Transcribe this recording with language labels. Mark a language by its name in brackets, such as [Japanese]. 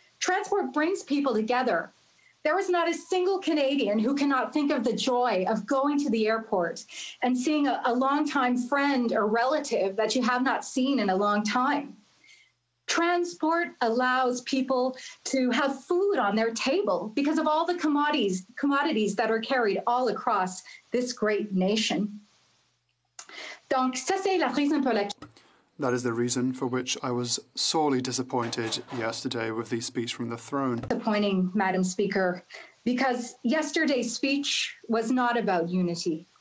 [English] Transport brings people together. There is not a single Canadian who cannot think of the joy of going to the airport and seeing a longtime friend or relative that you have not seen in a long time. Transport allows people to have food on their table because of all the commodities that are carried all across this great nation. [French] Donc, ça c'est la raison pour laquelle. [English] That is the reason for which I was sorely disappointed yesterday with the speech from the throne. Disappointing, Madam Speaker, because yesterday's speech was not about unity.